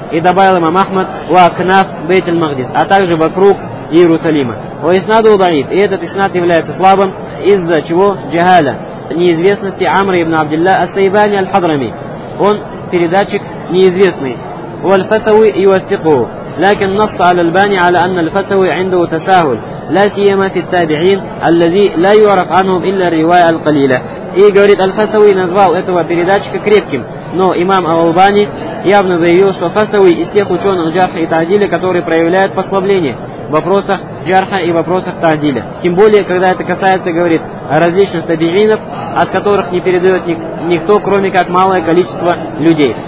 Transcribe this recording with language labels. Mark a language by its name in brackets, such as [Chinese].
[Russian] И добавил им Ахмад [Arabic] «Ва кнаф бейтиль Макдис», [Russian] а также вокруг Иерусалима. [Arabic] «Ва иснаду даиф», [Russian] и этот иснад является слабым, из-за чего джагаля, неизвестности Амра ибн Абдилля ас-Сайбани аль-Хадрами. Он передатчик неизвестный. [Arabic] «Ва аль-Фасави юасикху». لكن نص على الباني على أن الفسوي عنده تساهل لا سيما في التابعين الذي لا يعرف عنهم إلا الرواية القليلة. [Russian] И говорит Аль-Фасави назвал этого передатчика крепким, но имам Аль-Албани явно заявил, что Фасави из тех ученых джарха и таадиля, которые проявляют послабление в вопросах джарха и вопросах таадиля. Тем более, когда это касается, говорит, различных табиинов, от которых не передает никто, кроме как малое количество людей.